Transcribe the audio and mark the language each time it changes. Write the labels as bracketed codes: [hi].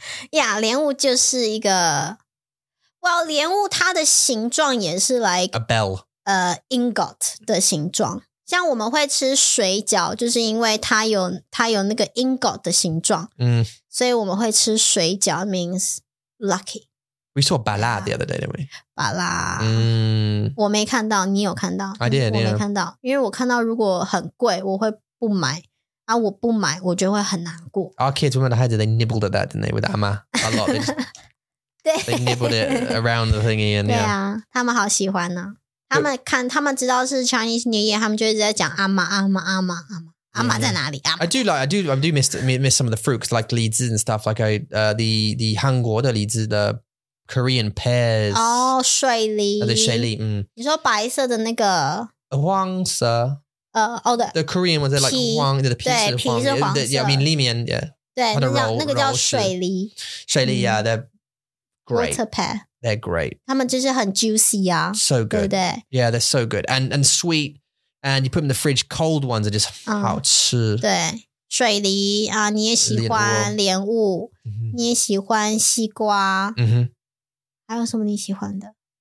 [zh] Yeah, 莲雾就是一个, well, 莲雾它的形状也是 like [en] a bell. [zh] Ingot的形状。像我们会吃水饺，就是因为它有那个 ingot 的形状，所以我们会吃水饺 [en] means lucky. We saw bala the other day, didn't we? Bala. Mm. [zh] 我没看到，你有看到？ [en] I did. [zh] 我没看到，因为我看到如果很贵，我会不买，然后我不买，我觉得会很难过。 [en] Our kids, when we were younger, they nibbled at that, didn't they? With Amma a lot. They nibbled it around the thingy, and yeah. [zh] 对啊，他们好喜欢呢。他们知道是 Chinese New Year, 他们就一直在讲阿妈在哪里? [en] I do miss some of the fruits like 梨子 and stuff, like the [zh] 韩国的梨子, [en] the Korean pears. [zh] Oh, 水梨.你说白色的那个? 黄色. Oh, [en] the Korean ones, they're like 黄, the pieces of [zh] 黄色. [en] Yeah, I mean, 里面, yeah. [zh] 对,那个叫水梨. [en] 水梨, yeah, they're great. Water pear. They're great. [zh] 他们就是很juicy啊, [en] so good. [zh] 对不对? [en] Yeah, they're so good. And sweet. And you put them in the fridge, cold ones are just 好吃. [zh] 对,水梨, 你也喜欢莲雾, 你也喜欢西瓜, 还有什么你喜欢的?